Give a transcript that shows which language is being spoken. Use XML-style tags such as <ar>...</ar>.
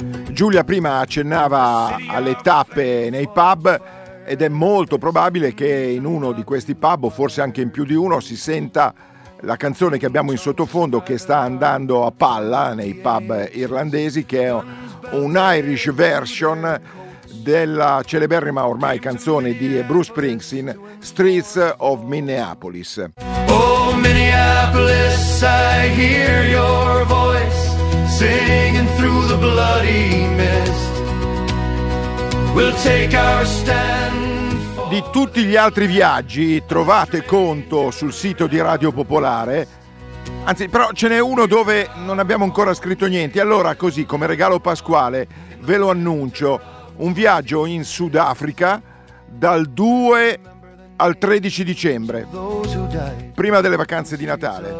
<it>Giulia prima accennava alle tappe nei pub ed è molto probabile che in uno di questi pub, o forse anche in più di uno, si senta la canzone che abbiamo in sottofondo, che sta andando a palla nei pub irlandesi, che è un</it> <en>Irish version</en> <it>della celeberrima ormai canzone di Bruce Springsteen, Streets of Minneapolis.</it> <en>Oh Minneapolis, I hear your voice singing through the bloody mist. We'll take our stand.</en> <it>Di tutti gli altri viaggi trovate conto sul sito di Radio Popolare. Anzi, però ce n'è uno dove non abbiamo ancora scritto niente. Allora, così, come regalo pasquale, ve lo annuncio. Un viaggio in Sudafrica dal 2 al 13 dicembre, prima delle vacanze di Natale.</it>